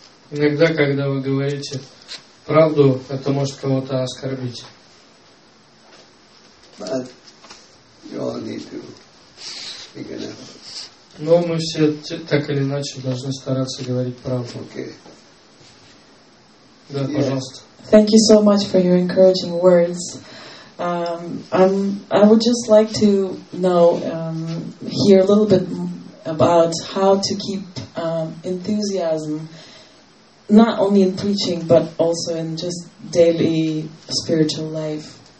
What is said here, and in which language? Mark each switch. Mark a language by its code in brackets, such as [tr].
[ru] Иногда, когда вы говорите правду, это может кого-то оскорбить. [en] But you all need to make an effort. [ru] Но мы все так или иначе должны стараться говорить правду. [en] Okay. [ru] Да, yeah. Пожалуйста. [en] Thank you so much for your encouraging words. I would just like to know, hear a little bit about how to keep enthusiasm, not only in preaching, but also in just daily spiritual life.